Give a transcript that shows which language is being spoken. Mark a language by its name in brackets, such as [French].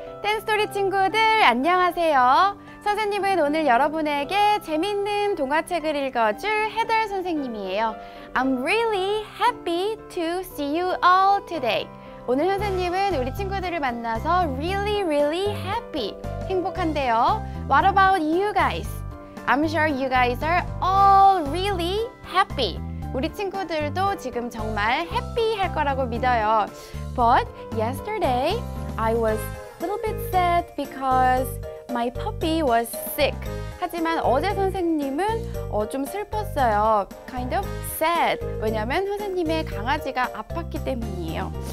[Korean] 10스토리 친구들, 안녕하세요. 선생님은 오늘 여러분에게 재밌는 동화책을 읽어줄 헤더 선생님이에요. [English] I'm really happy to see you all today. [Korean] 오늘 선생님은 우리 친구들을 만나서 [English] really, really happy, [Korean] 행복한데요. [English] What about you guys? I'm sure you guys are all really happy. [Korean] 우리 친구들도 지금 정말 happy 할 거라고 믿어요. [English] But yesterday, I was a little bit sad because my puppy was sick. [Korean] 하지만 어제 선생님은 좀 슬펐어요. [English] Kind of sad. [Korean] 왜냐면 선생님의 강아지가 아팠기 때문이에요.